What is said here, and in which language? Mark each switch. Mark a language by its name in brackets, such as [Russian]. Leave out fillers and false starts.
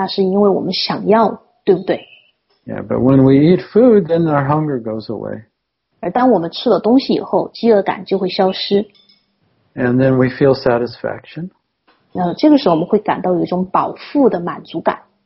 [Chinese] 所以说这个饥饿感的话呢，就被比喻作是我们对于这个物质世界的依附。我们之所以会受苦，那是因为我们想要，对不对？ [English] Yeah, but when we eat food, then our hunger goes away. [Chinese] 而当我们吃了东西以后，饥饿感就会消失。 [English] And then we feel satisfaction. [Chinese] 这个时候我们会感到有一种饱腹的满足感。